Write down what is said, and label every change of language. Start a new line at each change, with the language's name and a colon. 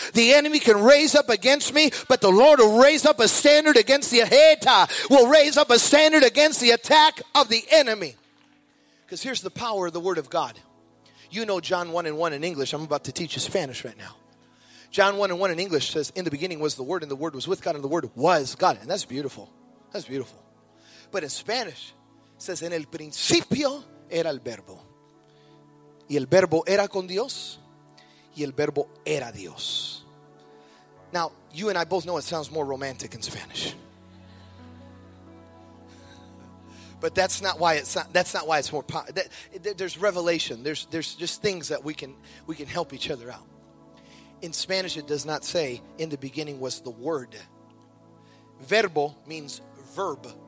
English: The enemy can raise up against me, but the Lord will raise up a standard against the heta, will raise up a standard against the attack of the enemy. Because here's the power of the word of God. You know John 1 and 1 in English. I'm about to teach you Spanish right now. John 1 and 1 in English says, in the beginning was the word, and the word was with God, and the word was God. And that's beautiful. That's beautiful. But in Spanish, it says,
Spanish: en el principio era el verbo, y el verbo era con Dios, y el verbo era Dios.
English: Now, you and I both know it sounds more romantic in Spanish, but that's not why it's more. There's revelation. There's just things that we can help each other out. In Spanish, it does not say, in the beginning was the word. Verbo means verb.